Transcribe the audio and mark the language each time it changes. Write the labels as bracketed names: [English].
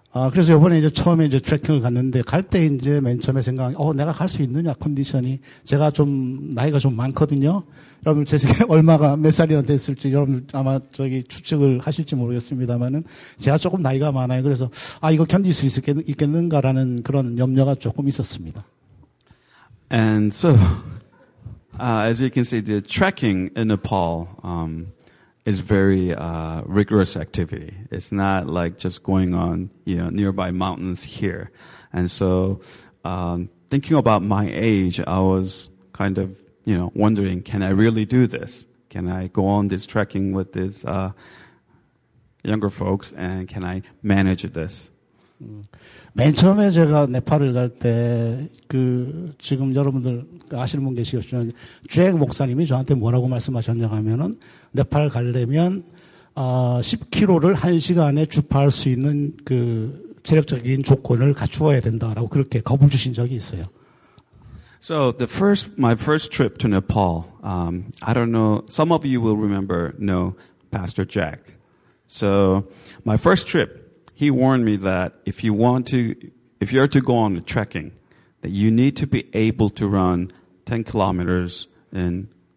[Korean] 그래서 이번에 이제 처음에 이제 트래킹을 갔는데 갈 때 이제 맨 처음에 생각, 내가 갈 수 있느냐 컨디션이 제가 좀 나이가 좀 많거든요. 여러분 제 생각에 얼마가 몇 살이나 됐을지 여러분 아마 저기 추측을 하실지 모르겠습니다만은 제가 조금 나이가 많아요. 그래서 이거 견딜 수 있겠는가라는 그런 염려가 조금 있었습니다. [English] And so, as you can see, the trekking in Nepal is very rigorous activity. It's not like just going on, you know, nearby mountains here. And so, thinking about my age, I was kind of, you know, wondering, can I really do this? Can I go on this trekking with these younger folks, and can I manage this? [Korean] 맨 처음에 제가 네팔을 갈 때, 그, 지금 여러분들 아시는 분 계시겠지만, 주행 목사님이 저한테 뭐라고 말씀하셨냐 하면은, 네팔 가려면, 10km를 1시간에 주파할 수 있는 그, 체력적인 조건을 갖추어야 된다라고 그렇게 겁을 주신 적이 있어요. [English] So, my first trip to Nepal, I don't know, some of you will remember, no, Pastor Jack. So, my first trip, he warned me that if you are to go on a trekking, that you need to be able to run 10 kilometers in...